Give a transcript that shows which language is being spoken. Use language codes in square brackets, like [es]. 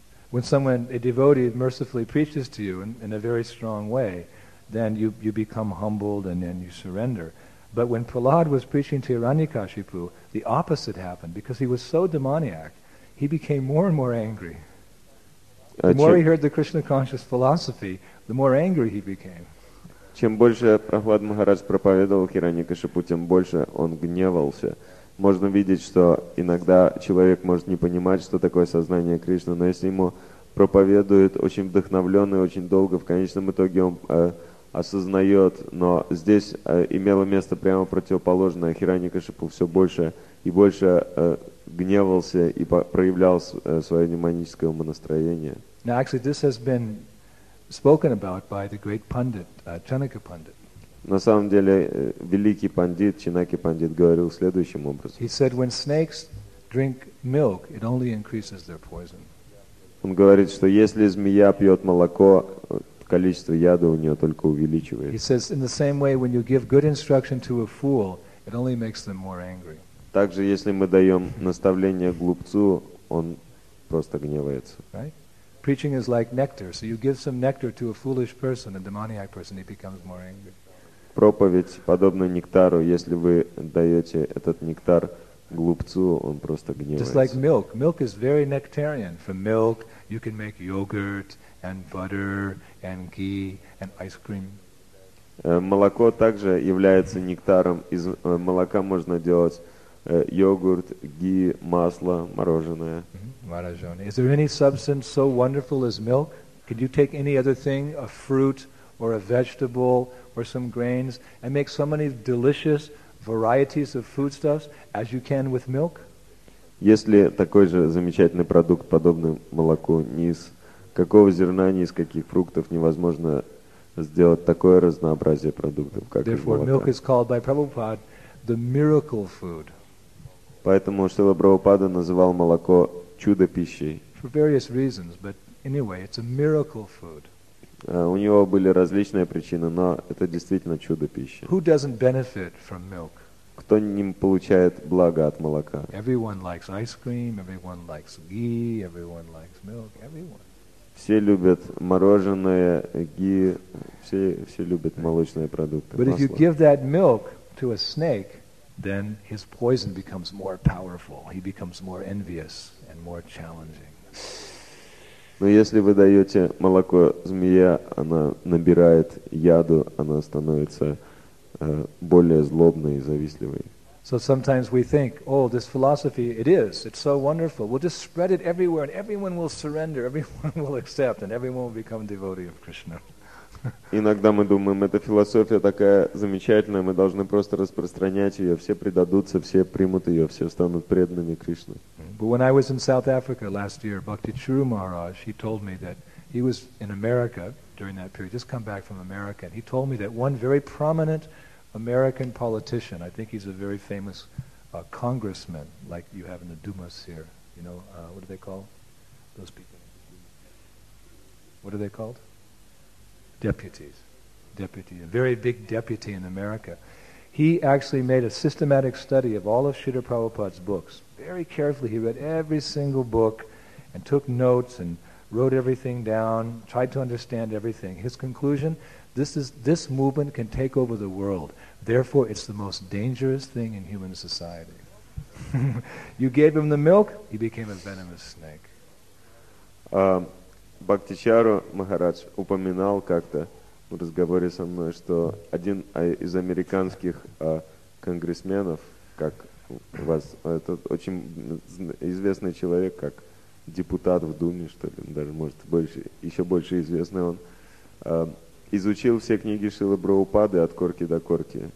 [en] When a devotee mercifully preaches to you in a very strong way, then you become humbled and then you surrender. But when Prahlad was preaching to Hiranyakashipu, the opposite happened. Because he was so demoniac, he became more and more angry. The more he heard the Krishna conscious philosophy, the more angry he became. [ru] Чем больше Прахлад Махарадж проповедовал Хиранья-кашипу, тем больше он гневался. Можно видеть, что иногда человек может не понимать, что такое сознание Кришны, но если ему проповедует очень вдохновленно и очень долго, в конечном итоге он осознает, но здесь имело место прямо противоположное. Хиранья-кашипу все больше и больше гневался и проявлял свое демоническое умонастроение. [en] Now, actually, this has been spoken about by the great pundit, Chanaka Pandit. [ru] На самом деле, великий пандит, Чинаки пандит, говорил следующим образом. [en] He said, when snakes drink milk, it only increases their poison. [ru] Он говорит, что если змея пьет молоко, количество яда у нее только увеличивается. [en] He says, in the same way, when you give good instruction to a fool, it only makes them more angry. [ru] Также, если мы даем наставление глупцу, он просто гневается. [en] Right? Preaching is like nectar. So you give some nectar to a foolish person, a demoniac person, he becomes more angry. [ru] Проповедь подобна нектару. Если вы даете этот нектар глупцу, он просто гневается. [en] Just like milk. Milk is very nectarian. From milk you can make yogurt and butter and ghee and ice cream. [ru] Молоко также является нектаром. Из молока можно делать йогурт, ги, масло, мороженое. Marajone. [en] Is there any substance so wonderful as milk? Could you take any other thing, a fruit or a vegetable or some grains, and make so many delicious varieties of foodstuffs as you can with milk? [ru] Если такой же замечательный продукт, подобный молоку, ни из какого зерна, ни из каких фруктов невозможно сделать такое разнообразие продуктов, как [en] Therefore, Milk is called by Prabhupada the miracle food. [ru] Поэтому Шрила Прабхупада называл молоко чудо-пищей. [en] For various reasons, but anyway, it's a miracle food. [ru] У него были различные причины, но это действительно чудо-пища. [en] Who doesn't benefit from milk? [ru] Кто не получает благо от молока? [en] Everyone likes ice cream, everyone likes ghee, everyone likes milk, everyone. [ru] Все любят мороженое, ги, все любят молочные продукты. [en] But if you give that milk to a snake, then his poison becomes more powerful. He becomes more envious and more challenging. [ru] Но если вы даете молоко змея, она набирает яду, она становится более злобной и завистливой. [en] So sometimes we think, oh, this philosophy, it is, it's so wonderful. We'll just spread it everywhere and everyone will surrender, everyone will accept and everyone will become a devotee of Krishna. [ru] Иногда мы думаем, эта философия такая замечательная, мы должны просто распространять ее, все предадутся, все примут ее, все станут преданными Кришне. [en] But when I was in South Africa last year, Bhakti Churu Maharaj, he told me that he was in America during that period, just come back from America, and he told me that one very prominent American politician, I think he's a very famous congressman, like you have in the Dumas here. You know, what do they call those people? What are they called? Deputies. Deputy, a very big deputy in America. He actually made a systematic study of all of Srila Prabhupada's books. Very carefully, he read every single book and took notes and wrote everything down, tried to understand everything. His conclusion, this movement can take over the world. Therefore, it's the most dangerous thing in human society. You gave him the milk, he became a venomous snake. [ru] Бхактичару Махарадж упоминал как-то в разговоре со мной, что один из американских конгрессменов, как у вас, это очень известный человек, как депутат в Думе, что ли, даже, может, больше, еще больше известный он, изучил все книги Шрилы Прабхупады от корки до корки.